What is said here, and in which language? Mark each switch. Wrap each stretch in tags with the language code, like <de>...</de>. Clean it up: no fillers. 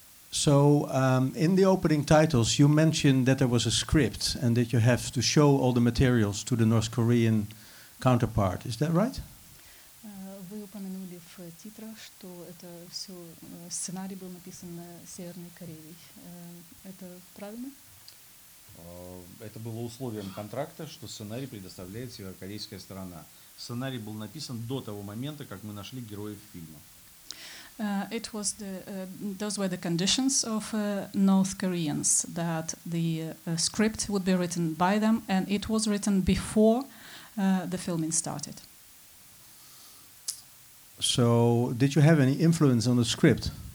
<en>So, in the opening titles, you mentioned that there was a script and that you have to show all the materials to the North Korean counterpart. Is that right?</en> <ru>Вы упомянули в титрах, что это все сценарий был написан на Северной Корее. Это правильно? Это было условием контракта, что сценарий предоставляет северокорейская сторона. Сценарий был написан до того момента, как мы нашли героев фильма.</ru> <en>It was the those were the conditions of North Koreans that the script would be written by them, and it was written before the filming started. So, did you have any influence on the script?</en>